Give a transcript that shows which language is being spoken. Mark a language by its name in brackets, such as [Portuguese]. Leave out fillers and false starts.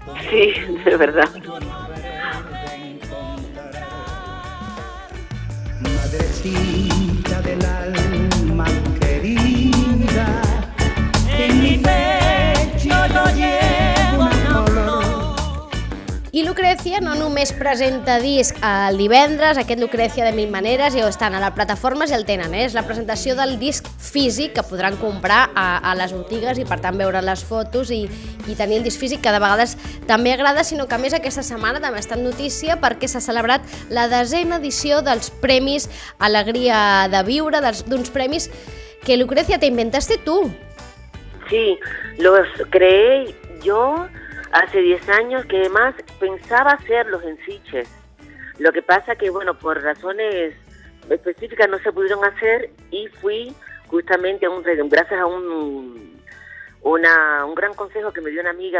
[Spanish] Sí, de verdad. Madrecita del alma querida, en mi pecho yo llevo un dolor. [Catalan] I Lucrecia no només presenta disc el divendres, aquest Lucrecia de mil maneres, ja ho estan a les plataformes i el tenen, és la presentació del disc físic que podran comprar a les botigues i per tant veure les fotos i tenir el disc físic que de vegades també agrada, sinó que a més aquesta setmana també està en notícia perquè s'ha celebrat la desena edició dels Premis Alegria de Viure, d'uns premis que Lucrecia [Spanish] te inventaste tú. Sí, los creé yo hace 10 años que además pensaba hacerlos en Sitges. Lo que pasa que bueno, por razones específicas no se pudieron hacer y fui justamente gracias a un gran consejo que me dio una amiga.